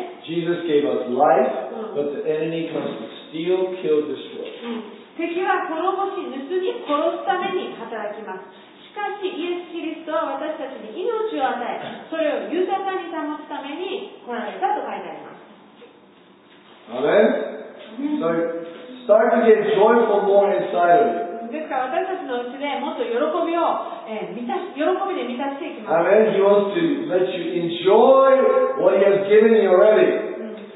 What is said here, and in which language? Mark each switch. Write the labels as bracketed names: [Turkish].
[English] Jesus gave us life, but the enemy comes to steal, kill, destroy. [Japanese] 敵は滅ぼし、盗み、殺すために働きます。しかし、イエス・キリストは私たちに命を与え、それを豊かに保つために来られたと書いてあります。アメン。 [English] So, start to get joyful more inside of you. [Japanese] ですから、私たちのうちでもっと喜びを、喜びで満たしていきます。アメン。 [English] He wants to let you enjoy what He has given you already.